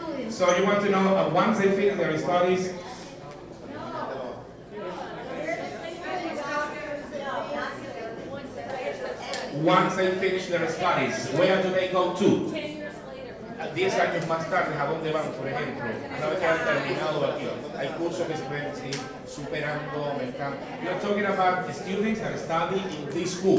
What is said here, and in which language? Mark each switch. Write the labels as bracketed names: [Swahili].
[English] So you want to know once they finish their studies? No. Once they finish their studies, where do they go to? [Spanish] 10 años más tarde, ¿a dónde van, por ejemplo? Una vez que han terminado aquí, hay cursos que se pueden seguir superando el campo. [English] You're talking about the students that study in this school.